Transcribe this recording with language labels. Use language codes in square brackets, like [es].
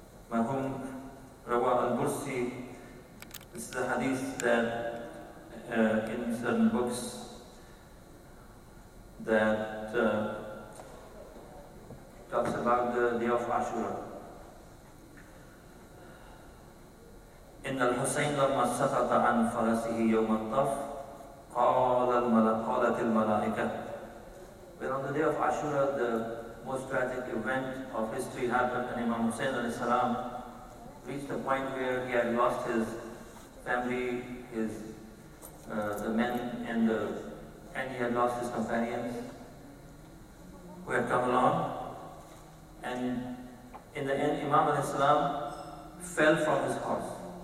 [en] Marhum Rawa al-Bursi, this is a hadith that in certain books that talks about the day of Ashura. [ar] إن الحسين لما سقط عن فرسه يوم الطف قالت الملائكة. [en] When on the day of Ashura, the most tragic event of history happened, and Imam Hussein alayhi salam reached a point where he had lost his family, his the men and the and he had lost his companions who had come along, and in the end Imam alayhi salam fell from his horse.